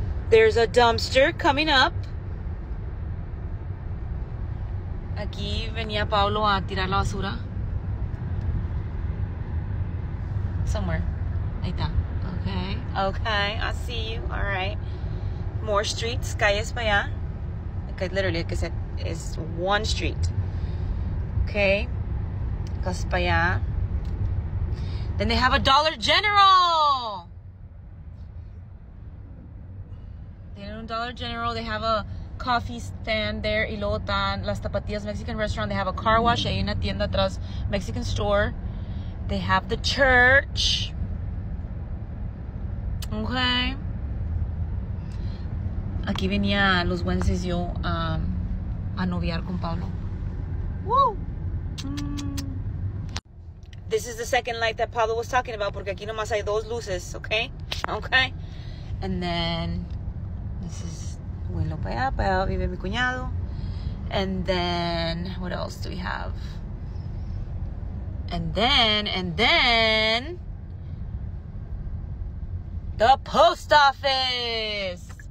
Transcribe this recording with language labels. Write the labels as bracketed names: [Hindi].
[English] There's a dumpster coming up. [Spanish] Aquí venía Pablo a tirar la basura. [English] Somewhere. [Spanish] Ahí está. [English] Okay. Okay. I see you. All right. More streets. [Spanish] Calles para allá. [English] Okay, literally, like I said, it's one street. Okay. [Spanish] Calles para allá. [English] Then they have a Dollar General. [Spanish] Tienen un Dollar General. [English] They have a coffee stand there, [Spanish] y luego están las [English] Tapatías Mexican restaurant. They have a car wash, [Spanish] hay una tienda atrás, [English] Mexican store. They have the church. Okay. [Spanish] Aquí venía los Wednesdays yo a noviar con Pablo. Woo! [English] This is the second light that Pablo was talking about, [Spanish] porque aquí nomás hay dos luces, [English] okay? Okay. And then this is Willow Paya, [Spanish] Paya vive mi cuñado. [English] And then, what else do we have? And then, the post office!